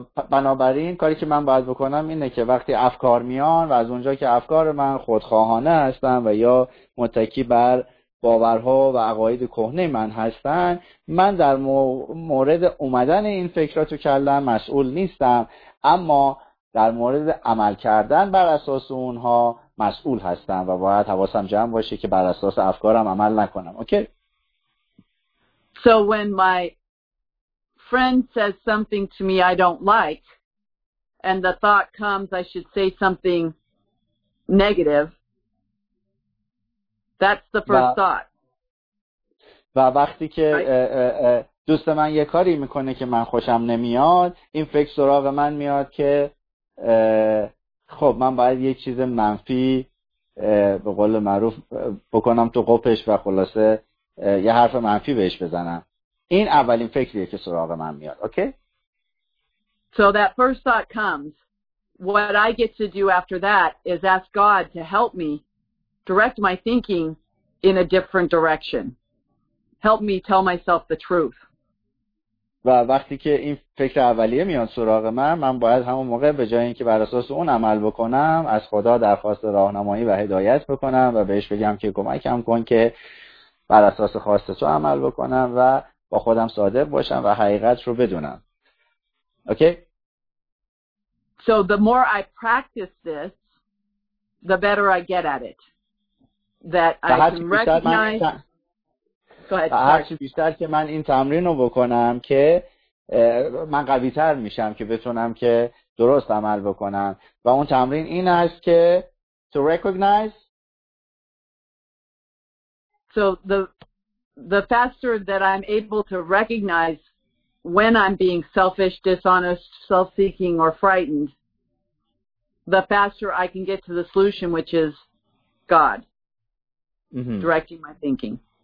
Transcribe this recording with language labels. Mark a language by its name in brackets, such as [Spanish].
[Persian] بنابراین کاری که من باید بکنم اینه که وقتی افکار میان و از اونجا که افکار من خودخواهانه هستن و یا متکی بر باورها و عقاید کهنه من هستن، من در مورد اومدن این فکرات و کلم مسئول نیستم، اما در مورد عمل کردن بر اساس اونها مسئول هستم و باید حواسم جمع باشه که بر اساس افکارم عمل نکنم. [English] Okay? So when my friend says something to me I don't like and the thought comes I should say something negative, that's the first thought. [Persian] و وقتی که دوست من یه کاری میکنه که من خوشم نمیاد، این فکر سراغ من میاد که خب من باید یه چیز منفی به قول معروف بکنم تو قپش و خلاصه یه حرف منفی بهش بزنم. این اولین فکریه که سراغ من میاد. [English] Okay? So that first thought comes. What I get to do after that is ask God to help me direct my thinking in a different direction. Help me tell myself the truth. [Persian] و وقتی که این فکر اولیه میاد سراغ من، من باید همون موقع به جای اینکه بر اساس اون عمل بکنم از خدا درخواست راهنمایی و هدایت بکنم و بهش بگم که کمکم کن که بر اساس خواست تو عمل بکنم و با خودم صادق باشم و حقیقت رو بدونم. [English] Okay? So the more I practice this the better I get at it, that I can recognize. [Persian] هرچی بیشتر که من این تمرین رو بکنم که من قوی تر میشم که بتونم که درست عمل بکنم، و اون تمرین این است که [English] to recognize. So the faster that I'm able to recognize when I'm being selfish, dishonest, self-seeking, or frightened, the faster I can get to the solution, which is God directing my thinking.